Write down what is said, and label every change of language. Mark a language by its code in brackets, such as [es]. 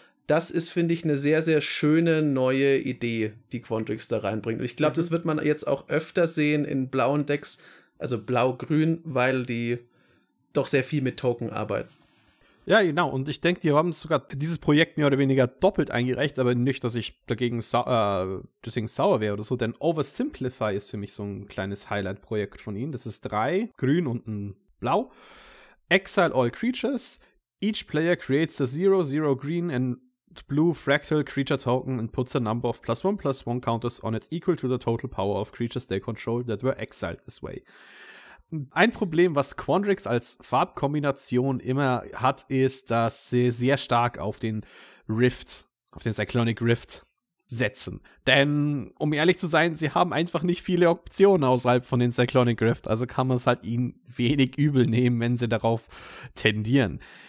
[de] Das ist, finde ich, eine sehr, sehr schöne neue Idee, die Quantrix da reinbringt. Und ich glaube, das wird man jetzt auch öfter sehen in blauen Decks, also blau-grün, weil die doch sehr viel mit Token arbeiten. Ja, genau. Und ich denke, die haben sogar dieses Projekt mehr oder weniger doppelt eingereicht, aber nicht, dass ich dagegen deswegen sauer wäre oder so. Denn Oversimplify ist für mich so ein kleines Highlight-Projekt von ihnen. Das ist 3 grün und ein blau. [en] Exile all creatures. Each player creates a 0/0 green and blue fractal creature token and puts a number of +1/+1 counters on it equal to the total power of creatures they control that were exiled this way. [de] Ein Problem, was Quandrix als Farbkombination immer hat, ist, dass sie sehr stark auf den Rift, auf den Cyclonic Rift setzen. Denn, um ehrlich zu sein, sie haben einfach nicht viele Optionen außerhalb von den Cyclonic Rift, also kann man es halt ihnen wenig übel nehmen, wenn sie darauf tendieren.